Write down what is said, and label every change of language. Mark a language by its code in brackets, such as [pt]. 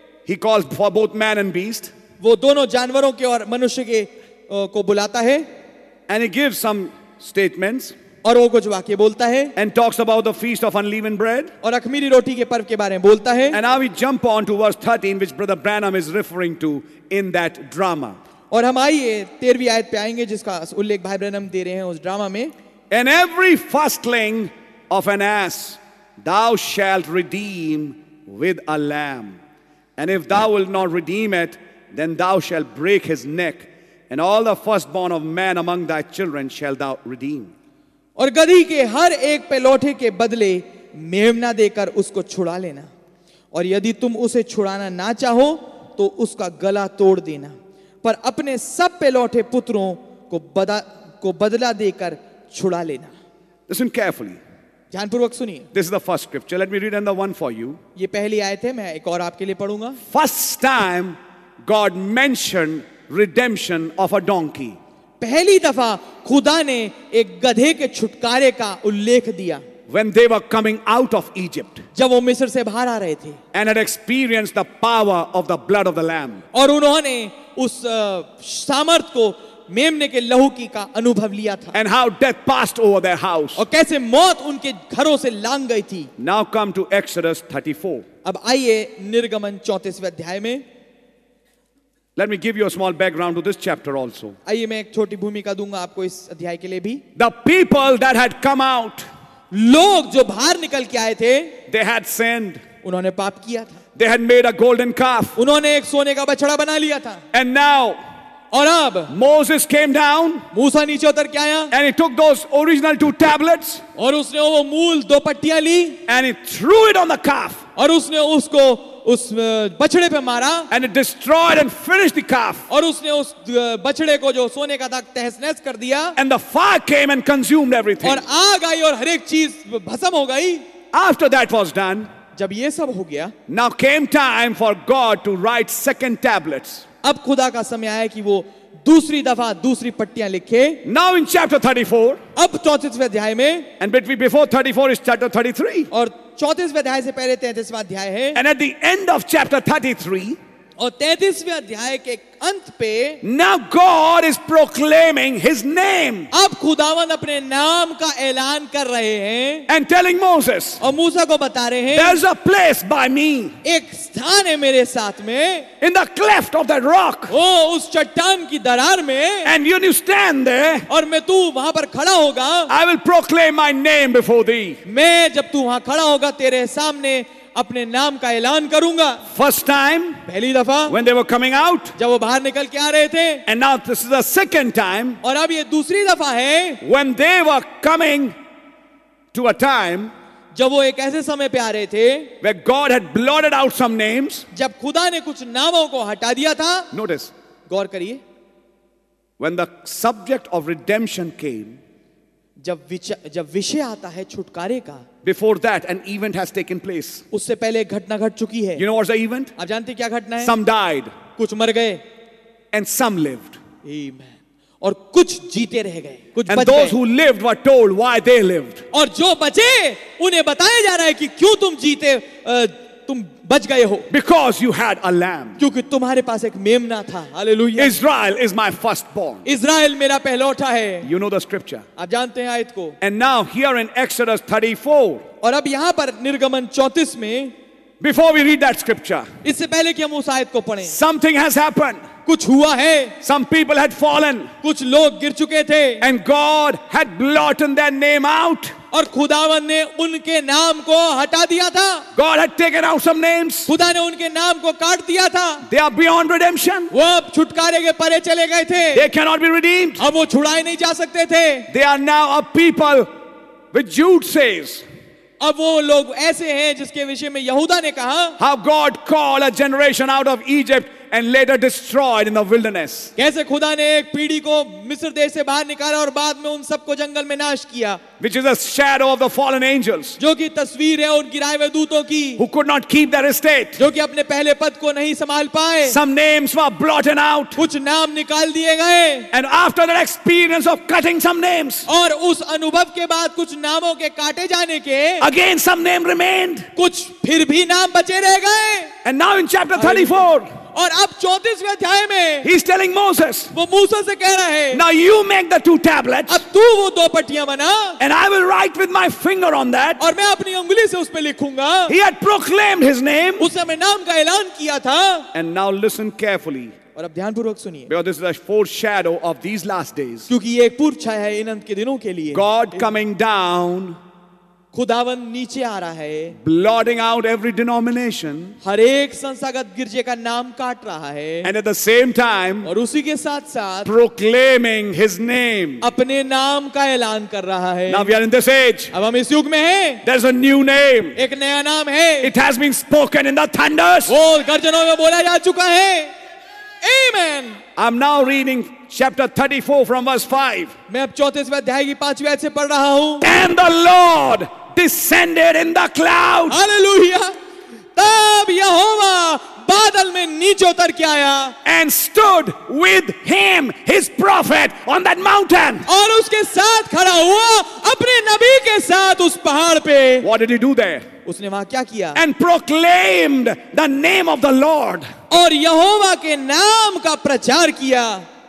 [en] He calls for both man and beast. [hi] वो दोनों जानवरों के और मनुष्य के को बुलाता है. [en] And he gives some statements. [hi] और वो कुछ वाक्य बोलता है [en] and talks about the feast of unleavened bread [hi] और अखमीरी रोटी के पर्व के बारे में बोलता है [en] and now we jump on to verse 13 which brother Branham is referring to in that drama [hi] और हम आइए 13वीं आयत पे आएंगे जिसका उल्लेख भाई ब्रैनम दे रहे हैं उस ड्रामा में [en] and every firstling of an ass thou shalt redeem with a lamb and if thou wilt not redeem it then thou shalt break his neck and all the firstborn of man among thy children shalt thou redeem [hi] और गधी के हर एक पेलौठे के बदले मेमना देकर उसको छुड़ा लेना और यदि तुम उसे छुड़ाना ना चाहो तो उसका गला तोड़ देना पर अपने सब पेलौठे पुत्रों को बदला देकर छुड़ा लेना [en] Listen carefully. [hi] ध्यानपूर्वक सुनिए. [en] This is the first scripture. Let me read another one for you. [hi] ये पहली आयत है, मैं एक और आपके लिए पढ़ूंगा. [en] First time God mentioned redemption of a donkey. [hi] पहली दफा खुदा ने एक गधे के छुटकारे का उल्लेख दिया [en] When they were coming out of Egypt, [hi] जब वो मिस्र से बाहर आ रहे थे [en] and had experienced the power of the blood of the lamb, [hi] और उन्होंने उस सामर्थ को मेमने के लहू की का अनुभव लिया था [en] and how death passed over their house, [hi] और कैसे मौत उनके घरों से लांग गई थी [en] Now come to Exodus 34. [hi] अब आइए निर्गमन 34वें अध्याय में [en] Let me give you a small background to this chapter also. [hi] आइए मैं एक छोटी भूमिका दूंगा आपको इस अध्याय के लिए भी. [en] The people that had come out, [hi] लोग जो बाहर निकल के आए थे, [en] they had sinned. [hi] उन्होंने पाप किया था. [en] They had made a golden calf. [hi] उन्होंने एक सोने का बछड़ा बना लिया था. [en] And now, [hi] और अब, [en] Moses came down. [hi] मूसा नीचे उतर के आया. [en] And he took those original two tablets. [hi] और उसने वो मूल दो पट्टियां ली. [en] And he threw it on the calf. [hi] और उसने उसको उस बछड़े पे मारा [en] and it destroyed and finished the calf [hi] और उसने उस बछड़े को जो सोने का था तहस-नहस कर दिया [en] and the fire came and consumed everything [hi] और आग आई और हर एक चीज भस्म हो गई [en] after that was done [hi] जब ये सब हो गया [en] now came time for God to write second tablets [hi] अब खुदा का समय आया कि वो दूसरी दफा दूसरी पट्टियां लिखे [en] Now in chapter 34 [hi] अब 34वें अध्याय में [en] and between before 34 is chapter 33 [hi] और 34वें अध्याय से पहले 33वां अध्याय है [en] and at the end of chapter 33 [hi] और 33वें अध्याय के अंत पे [en] Now God is proclaiming his name [hi] अब खुदावंद अपने नाम का ऐलान कर रहे हैं [en] and telling Moses [hi] और मूसा को बता रहे हैं [en] there's a place by me [hi] एक स्थान है मेरे साथ में [en] in the cleft of that rock [hi] ओ उस चट्टान की दरार में [en] and when you stand there [hi] और मैं तू वहां पर खड़ा होगा [en] I will proclaim my name before thee [hi] मैं जब तू वहां खड़ा होगा तेरे सामने अपने नाम का ऐलान करूंगा [en] first time [hi] पहली दफा [en] when they were coming out [hi] जब वो बाहर निकल के आ रहे थे [en] and now this is the second time [hi] और अब ये दूसरी दफा है [en] when they were coming to a time [hi] जब वो एक ऐसे समय पे आ रहे थे [en] where God had blotted out some names [hi] जब खुदा ने कुछ नामों को हटा दिया था [en] notice [hi] गौर करिए [en] when the subject of redemption came [hi] जब विषय आता है छुटकारे का [en] Before that, an event has taken place. [hi] उससे पहले घटना घट चुकी है. [en] You know what's the event? [hi] आप जानते क्या घटना है? [en] Some died. [hi] कुछ मर गए. [en] And some lived. [hi] Amen. और कुछ जीते रह गए. कुछ बचे. [en] And those who lived were told why they lived. [hi] और जो बचे, उन्हें बताया जा रहा है कि क्यों तुम जीते, तुम बच गए हो. [en] Because you had a lamb. [hi] क्योंकि तुम्हारे पास एक मेमना था. Hallelujah. [en] Israel is my firstborn. [hi] Israel मेरा पहलौठा है. [en] You know the scripture. [hi] आप जानते हैं आयत को. [en] And now here in Exodus 34. [hi] और अब यहाँ पर निर्गमन 34 में. [en] Before we read that scripture. [hi] इससे पहले कि हम उस आयत को पढ़ें. [en] Something has happened. [hi] कुछ हुआ है. [en] Some people had fallen. [hi] कुछ लोग गिर चुके थे. [en] And God had blotted their name out. [hi] और खुदावन ने उनके नाम को हटा दिया था [en] God had taken out some names. [hi] खुदा ने उनके नाम को काट दिया था [en] They are beyond redemption. [hi] वो अब छुटकारे के परे चले गए थे [en] They cannot be redeemed. [hi] अब वो छुड़ाए नहीं जा सकते थे [en] They are now a people which Jude says. [hi] अब वो लोग ऐसे हैं जिसके विषय में यहूदा ने कहा [en] How God called a generation out of Egypt and later destroyed in the wilderness. [hi] कैसे खुदा ने एक पीढ़ी को मिस्र देश से बाहर निकाला और बाद में उन सबको जंगल में नाश किया [en] Which is a shadow of the fallen angels. [hi] जो कि तस्वीर है उन गिराए हुए दूतों की [en] Who could not keep their estate. [hi] जो कि अपने पहले पद को नहीं संभाल पाए [en] Some names were blotted out. [hi] कुछ नाम निकाल दिए गए [en] And after that experience of cutting some names. [hi] और उस अनुभव के बाद कुछ नामों के काटे जाने के [en] Again some name remained. [hi] कुछ फिर भी नाम बचे रह गए [en] And now in chapter 34. [hi] और अब 34वें अध्याय में [en] He's telling Moses, [hi] वो मूसा से कह रहा है, [en] Now you make the two tablets, [hi] अब तू वो दो पट्टियां बना, [en] and I will write with my finger on that, [hi] और मैं अपनी उंगली से उस पे लिखूंगा, [en] He had proclaimed his name, [hi] उसे मैं नाम का ऐलान किया था, [en] and now listen carefully, [hi] और अब ध्यानपूर्वक सुनिए, [en] because this is a foreshadow of these last days, [hi] क्योंकि ये एक पूर्व छाया है इन अंत के दिनों के लिए, [en] God coming down. [hi] खुदावन नीचे आ रहा है [en] blotting out every denomination [hi] हर एक संस्थागत गिरजे का नाम काट रहा है [en] and at the same time [hi] और उसी के साथ साथ [en] proclaiming his name [hi] अपने नाम का ऐलान कर रहा है [en] now we are in this age [hi] अब हम इस युग में हैं [en] there is a new name [hi] एक नया नाम है [en] it has been spoken in the thunders [hi] वो गर्जनों में बोला जा चुका है आमेन [en] I am now reading Chapter 34 from verse 5. [hi] मैं अब 34वें अध्याय की 5वें आयत से पढ़ रहा हूँ. [en] And the Lord descended in the cloud. Hallelujah. [hi] तब यहोवा बादल में नीचे उतर के आया. [en] And stood with him, his prophet, on that mountain. [hi] और उसके साथ खड़ा हुआ अपने नबी के साथ उस पहाड़ पे. [en] What did he do there? [hi] उसने वहां क्या किया? [en] And proclaimed the name of the Lord. [hi] और यहोवा के नाम का प्रचार किया.